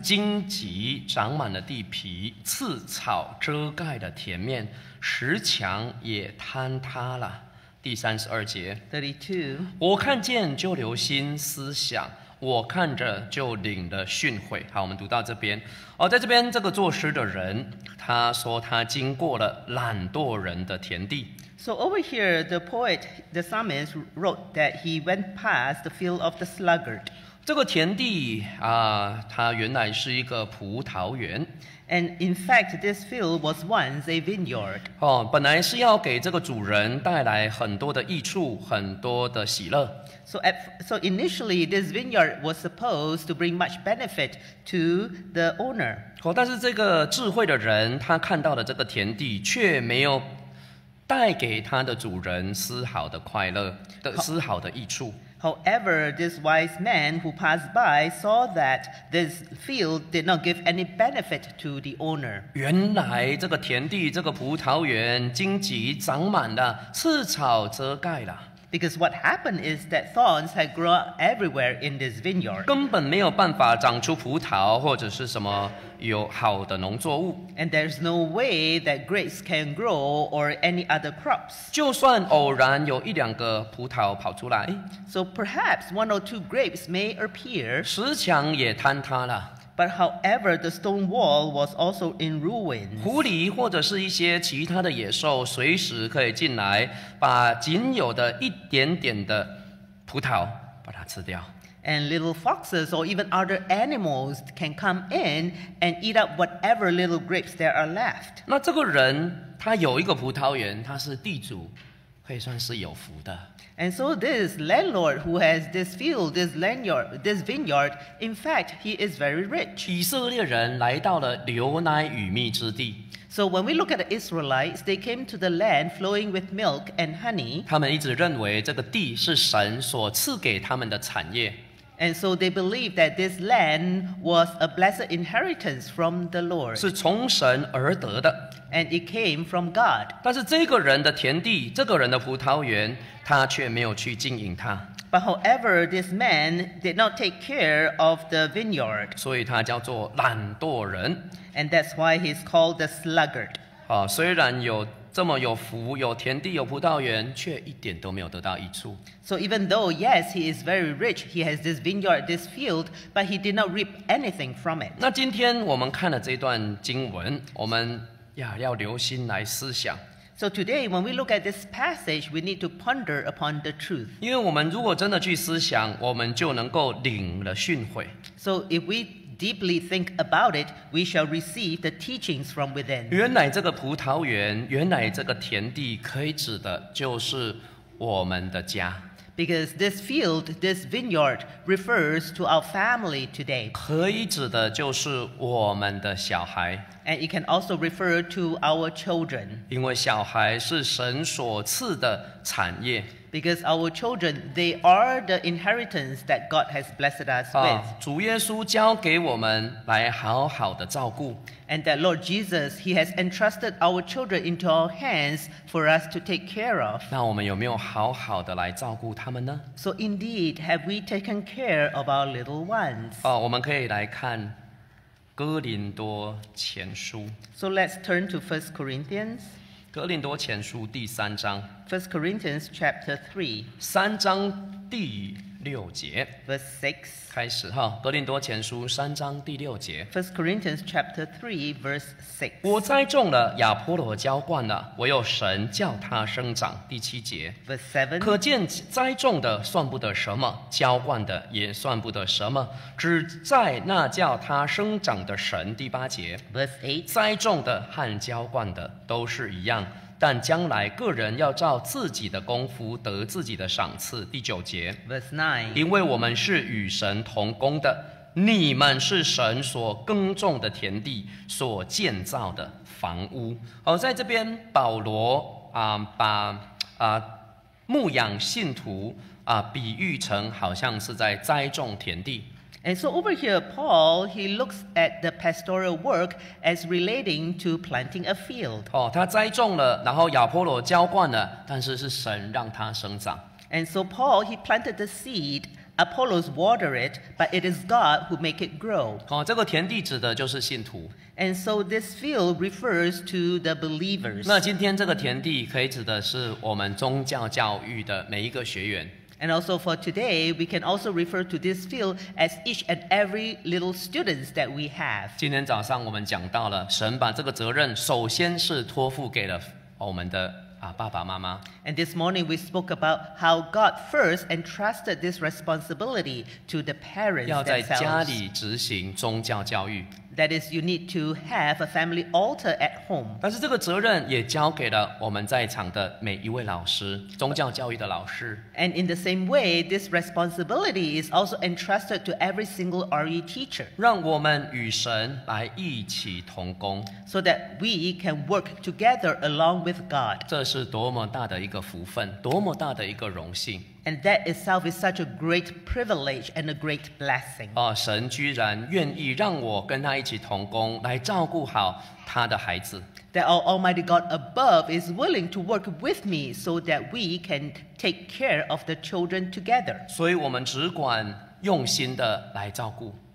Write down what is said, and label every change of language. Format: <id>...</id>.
<zh>荆棘长满了地皮，刺草遮盖的田面，石墙也坍塌了。第三十二节</zh> <en>32.</en> <zh>我看见就留心思想，我看着就领了训诲。好，我们读到这边、哦、在这边这个作诗的人，他说他经过了懒惰人的田地。</zh> <en>So over here the poet, the psalmist wrote that he went past the field of the sluggard.</en> <zh>这个田地啊，它原来是一个葡萄园。</zh> <en>And in fact, this field was once a vineyard.</en> <zh>哦，本来是要给这个主人带来很多的益处，很多的喜乐。</zh> <en>So initially, this vineyard was supposed to bring much benefit to the owner.</en> <zh>哦，但是这个智慧的人，他看到了这个田地，却没有带给他的主人丝毫的快乐的丝毫的益处。</zh> <en>However, this wise man who passed by saw that this field did not give any benefit to the owner.</en> <zh>原来这个田地，这个葡萄园，荆棘长满了，刺草遮盖了。</zh> <en>Because what happened is that thorns had grown everywhere in this vineyard.</en> <zh>根本没有办法长出葡萄或者是什么有好的农作物。</zh> <en>And there's no way that grapes can grow or any other crops.</en> <zh>就算偶然有一两个葡萄跑出来。</zh> <en>So perhaps one or two grapes may appear.</en> <zh>石墙也坍塌了。</zh> <en>But however, the stone wall was also in ruins.</en> <zh>狐狸或者是一些其他的野兽随时可以进来，把仅有的一点点的葡萄把它吃掉。</zh> <en>And little foxes or even other animals can come in and eat up whatever little grapes there are left.</en> <zh>那这个人他有一个葡萄园，他是地主，可以算是有福的。</zh> <en>And so this landlord who has this field, this vineyard, in fact, he is very rich.</en> <zh>以色列人来到了牛奶与蜜之地。</zh> <en>So when we look at the Israelites, they came to the land flowing with milk and honey.</en> <zh>他们一直认为这个地是神所赐给他们的产业。</zh> <en>And so they believed that this land was a blessed inheritance from the Lord.</en> <zh>是从神而得的。</zh> <en>And it came from God.</en> <zh>但是这个人的田地，这个人的葡萄园，他却没有去经营它。</zh> <en>But however, this man did not take care of the vineyard.</en> <zh>所以他叫做懒惰人。</zh> <en>And that's why he's called the sluggard.</en> <zh>啊，虽然有这么有福，有田地，有葡萄园，却一点都没有得到益处。</zh> <en>So even though, yes, he is very rich, he has this vineyard, this field, but he did not reap anything from it.</en> <zh>那今天我们看了这段经文，我们呀要留心来思想。</zh> <en>So today, when we look at this passage, we need to ponder upon the truth.</en> <zh>因为我们如果真的去思想，我们就能够领了训诲。</zh> <en>So if we deeply think about it, we shall receive the teachings from within.</en> <zh>原来这个葡萄园，原来这个田地可以指的就是我们的家。</zh> <en>Because this field, this vineyard refers to our family today.</en> <zh>可以指的就是我们的小孩。</zh> <en>And it can also refer to our children.</en> <zh>因为小孩是神所赐的产业。</zh> <en>Because our children, they are the inheritance that God has blessed us with.</en> <zh>主耶稣交给我们来好好的照顾。</zh> <en>And that Lord Jesus, he has entrusted our children into our hands for us to take care of.</en> <zh>那我们有没有好好的来照顾他们呢？</zh> <en>So indeed, have we taken care of our little ones?</en> <zh>我们可以来看哥林多前书。</zh> <en>So let's turn to 1 Corinthians.</en> <zh>哥林多前书第三章。</zh> <en>First Corinthians chapter 3.</en> <zh>三章第六节。</zh> <en>Verse 6.</en> <zh>开始哈，哥林多前书三章第六节。</zh> <en>First Corinthians chapter 3, verse 6.</en> <zh>我栽种了，亚波罗浇灌了，唯有神叫他生长。第七节。</zh> <en>Verse 7.</en> <zh>可见栽种的算不得什么，浇灌的也算不得什么，只在那叫他生长的神。第八节。</zh> <en>Verse 8.</en> <zh>栽种的和浇灌的都是一样，但将来个人要照自己的功夫得自己的赏赐。第九节。</zh> <en>Verse 9.</en> <zh>因为我们是与神同工的，你们是神所耕种的田地，所建造的房屋。好，在这边保罗把牧养信徒比喻成好像是在栽种田地。</zh> <en>And so over here, Paul, he looks at the pastoral work as relating to planting a field.</en> <zh>哦，他栽种了，然后亚波罗浇灌了，但是是神让它生长。</zh> <en>And so Paul, he planted the seed, Apollos watered it, but it is God who make it grow.</en> <zh>哦，这个田地指的就是信徒。</zh> <en>And so this field refers to the believers.</en> <zh>那今天这个田地可以指的是我们宗教教育的每一个学员。</zh> <en>And also for today, we can also refer to this field as each and every little students that we have.</en> <zh>今天早上我们讲到了，神把这个责任首先是托付给了我们的爸爸妈妈。</zh> <en>And this morning we spoke about how God first entrusted this responsibility to the parents themselves.</en> <zh>要在家里执行宗教教育。</zh> <en>That is, you need to have a family altar at home.</en> <zh>但是这个责任也交给了我们在场的每一位老师，宗教教育的老师。</zh> <en>And in the same way, this responsibility is also entrusted to every single RE teacher.</en> <zh>让我们与神来一起同工。</zh> <en>So that we can work together along with God.</en> <zh>这是多么大的一个福分，多么大的一个荣幸。</zh> <en>And that itself is such a great privilege and a great blessing.</en> <zh>神居然愿意让我跟他一起同工，来照顾好他的孩子。</zh> <en>That our Almighty God above is willing to work with me so that we can take care of the children together.</en> <zh>所以我们只管用心的来照顾。</zh>